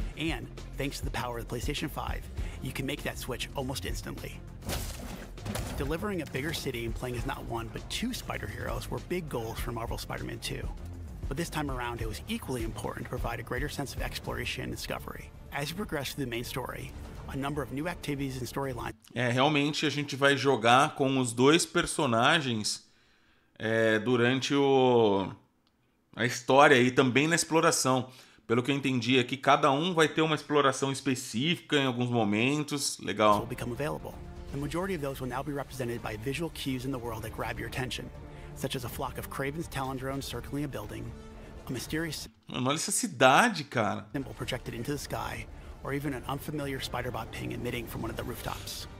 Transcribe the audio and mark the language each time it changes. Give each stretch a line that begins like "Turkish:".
English: And, thanks to the power of the PlayStation 5, you can make that switch almost instantly. Delivering a bigger city and playing as not one, but two Spider-Heroes were big goals for Marvel Spider-Man 2. But this time around, it was equally important to provide a greater sense of exploration and discovery. As you progress through the main story, a number of new activities and storylines...
Portuguese: É, realmente a gente vai jogar com os dois personagens durante a história e também na exploração. Pelo que eu entendi aqui, cada um vai ter uma exploração específica em alguns momentos. Legal.
English: ...will become available. The majority of those will now be represented by visual cues in the world that grab your attention, such as a flock of Kraven's Talon drones circling a building, a mysterious...
Portuguese: Mano, olha essa cidade, cara.
English: ...symbol projected into the sky, or even an unfamiliar spider-bot ping emitting from one of the rooftops.